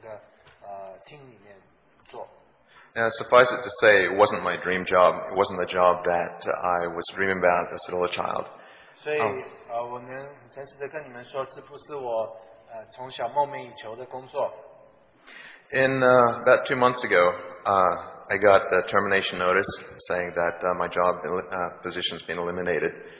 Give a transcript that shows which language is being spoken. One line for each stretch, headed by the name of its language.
Chinese: 我是帮一些财务公司在他们交易的厅里面做。
English: Now, suffice it to say, it wasn't my dream job. It wasn't the job that I was dreaming about as a little child.
Chinese: 所以我能诚实地跟你们说，这不是我从小梦寐以求的工作。
English: In about 2 months ago, I got the termination notice saying that my job position has been eliminated.